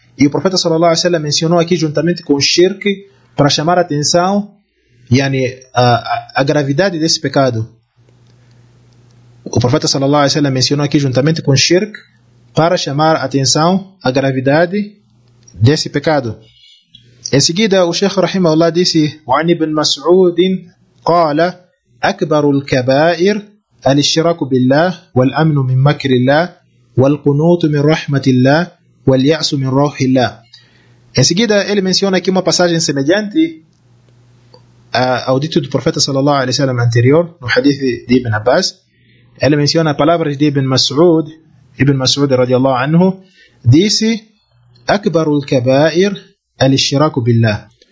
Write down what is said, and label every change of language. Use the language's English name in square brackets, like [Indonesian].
[Portuguese] E o profeta sallallahu alaihi wa sallam mencionou aqui juntamente com o shirk para chamar a atenção yani, a gravidade desse pecado. O profeta sallallahu alaihi wa sallam mencionou aqui juntamente com o shirk para chamar a atenção a gravidade desse pecado. Em seguida, o Sheikh Rahimahullah disse: [Arabic] وعن ابن مسعود قال: أكبر الكبائر الاشتراك بالله والأمن من مكر الله والقنوط من رحمة الله والياس من روح الله. [Portuguese] Em seguida, ele menciona aqui uma passagem semelhante ao dito do Profeta sallallahu alaihi wasallam anterior, no hadith de Ibn Abbas. Ele menciona a palavra de Ibn Mas'ud radiallahu anhu, disse: [Arabic] أكبر الكبائر الاشتراك بالله.